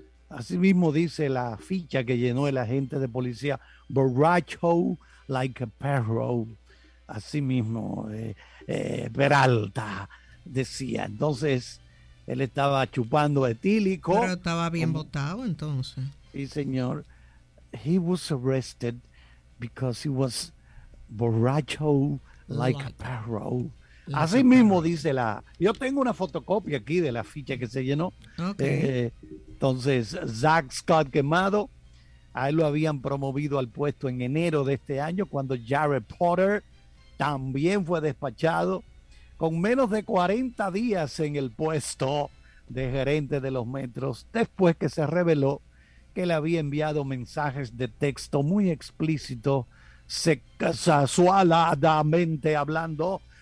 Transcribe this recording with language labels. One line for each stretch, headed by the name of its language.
Spanish: Así mismo dice la ficha que llenó el agente de policía, borracho
English: like a
Spanish: perro. Así mismo, Peralta decía. Entonces, él estaba chupando etílico. Pero estaba bien botado entonces. Sí, señor.
English: He was arrested because he was
Spanish: borracho
English: like a
Spanish: perro. Así mismo dice la... Yo tengo una fotocopia aquí de la ficha que se llenó. Okay. Entonces, Zach Scott quemado. A él lo habían promovido al puesto en enero de este año, cuando Jared Porter también fue despachado. Con menos de 40 días en el puesto de gerente de los Mets, después que se reveló que le había enviado mensajes de texto muy explícitos, se casualmente hablando